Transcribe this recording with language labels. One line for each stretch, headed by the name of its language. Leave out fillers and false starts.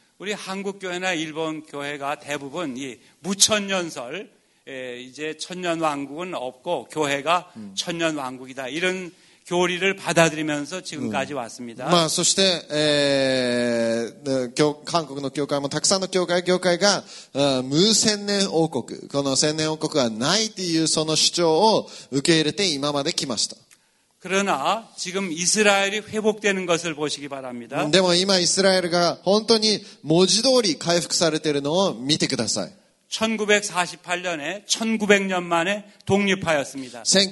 Korean: 우리 한국 교회나 일본 교회가 대부분 이 무천년설 이제 천년 왕국은 없고 교회가 천년 왕국이다. 이런 교리를 받아들이면서 지금까지 왔습니다.
Japanese: まあそして韓国の教会もたくさんの教会が無千年王国この千年王国はないっていうその主張を受け入れて今まで来ました。
Korean: 그러나 지금 이스라엘이 회복되는 것을 보시기 바랍니다.
Japanese: 今イスラエルが本当に文字通り回復されているのを見てください。
Korean: 1948년에 1900년 만에 독립하였습니다.